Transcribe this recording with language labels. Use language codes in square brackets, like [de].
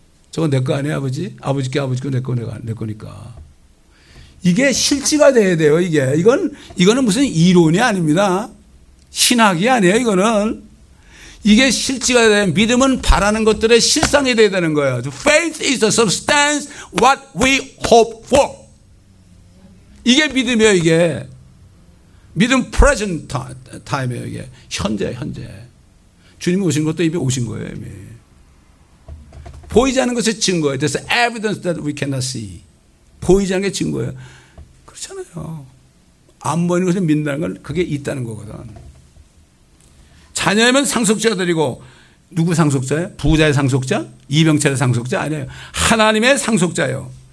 [ko] 저거 내 거 아니야 아버지? 아버지께 아버지께 내 거 내가 내 거니까. 이게 실지가 돼야 돼요 이게. 이거는 무슨 이론이 아닙니다. 신학이 아니에요 이거는. 이게 실지가 돼야 돼요. 믿음은 바라는 것들의 실상이 돼야 되는 거예요. [en] Faith is the substance what we hope for. [ko] 이게 믿음이에요 이게. 믿음 [en] present time [ko] 이에요 이게. 현재. 주님이 오신 것도 이미 오신 거예요 이미. 보이지 않는 것의 증거예요. [en] There's evidence that we cannot see. [ko] 보이지 않는 게 증거예요. 그렇잖아요. 안 보이는 것을 믿는다는 건 그게 있다는 거거든. 자녀이면 상속자들이고 누구 상속자예요? 부자의 상속자? 이병철의 상속자? 아니에요. 하나님의 상속자예요.